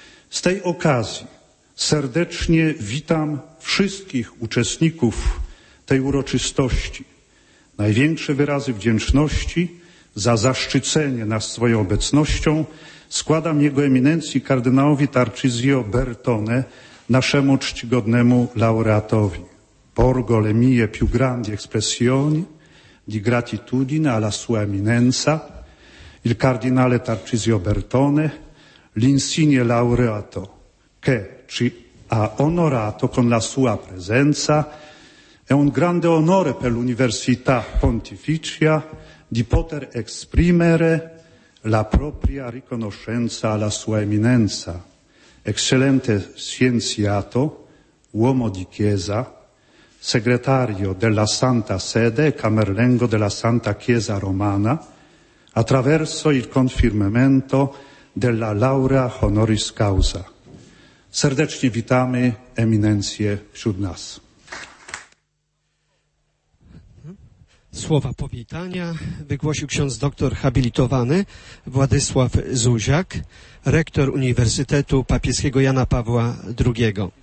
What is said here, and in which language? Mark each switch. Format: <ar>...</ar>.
<pl>Z tej okazji serdecznie witam wszystkich uczestników tej uroczystości. Największe wyrazy wdzięczności za zaszczycenie nas swoją obecnością składam Jego Eminencji kardynałowi Tarcisio Bertone, naszemu czcigodnemu laureatowi.</pl> <it>Porgo le mie più grandi espressioni di gratitudine alla sua Eminenza, il cardinale Tarcisio Bertone, l'insigne laureato che ci ha onorato con la sua presenza. È un grande onore per l'Università Pontificia di poter esprimere la propria riconoscenza alla sua Eminenza. Eccellente scienziato, uomo di Chiesa, segretario della Santa Sede e camerlengo della Santa Chiesa Romana, attraverso il confirmamento della laurea honoris causa.</it> <pl>Serdecznie witamy Eminencję wśród nas. Słowa powitania wygłosił ksiądz doktor habilitowany Władysław Zuziak, rektor Uniwersytetu Papieskiego Jana Pawła II.</pl>